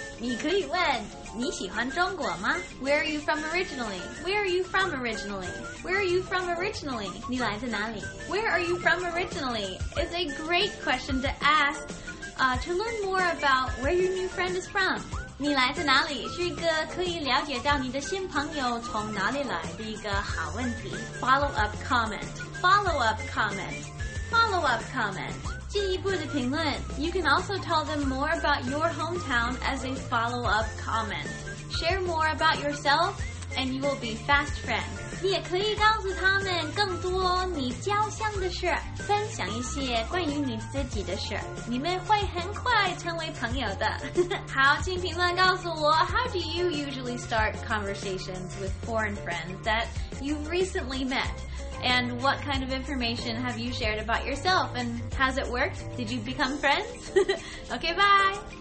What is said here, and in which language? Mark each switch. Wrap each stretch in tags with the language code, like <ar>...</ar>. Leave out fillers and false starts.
<zh>你可以问你喜欢中国吗?</zh> <en>Where are you from originally? Where are you from originally? Where are you from originally?</en> <zh>你来自哪里?</zh> <en>Where are you from originally? It's a great question to ask, to learn more about where your new friend is from.</en> <zh>你来自哪里? 是一个可以了解到你的新朋友从哪里来的一个好问题。</zh> <en>Follow-up comment. Follow-up comment. Follow-up comment.</en> <zh>进一步的评论</zh> <en>You can also tell them more about your hometown as a follow-up comment. Share more about yourself and you will be fast friends.</en> <zh>你也可以告诉他们更多你家乡的事，分享一些关于你自己的事，你们会很快成为朋友的。好，请评论告诉我</zh> <en>How do you usually start conversations with foreign friends that you've recently met? And what kind of information have you shared about yourself? And has it worked? Did you become friends? Okay, bye!</en>